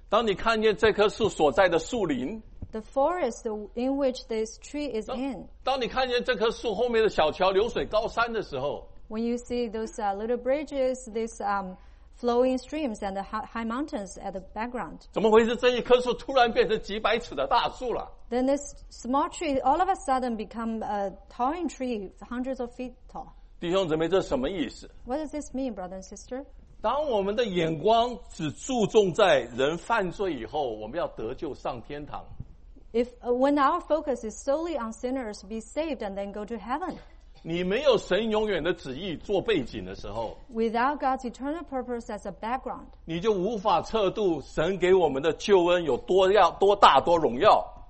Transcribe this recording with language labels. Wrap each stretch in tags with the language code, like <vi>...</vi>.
<zh>当你看见这棵树所在的树林</zh> <en>the forest in which this tree is in,</en> <zh>当你看见这棵树后面的小桥流水高山的时候</zh> <en>when you see those little bridges, these flowing streams and the high mountains at the background,</en> <zh>怎么回事？这一棵树突然变成几百尺的大树了</zh> <en>then this small tree all of a sudden become a towering tree, hundreds of feet tall.</en> <zh>弟兄姊妹，这是什么意思？</zh> <en>What does this mean, brother and sister?</en> <zh>当我们的眼光只注重在人犯罪以后，我们要得救上天堂。</zh> <en>If when our focus is solely on sinners be saved and then go to heaven,</en> <zh>你没有神永远的旨意做背景的时候</zh> <en>，without God's eternal purpose as a background,</en> <zh>你就无法测度神给我们的救恩有多样、多大、多荣耀。</zh>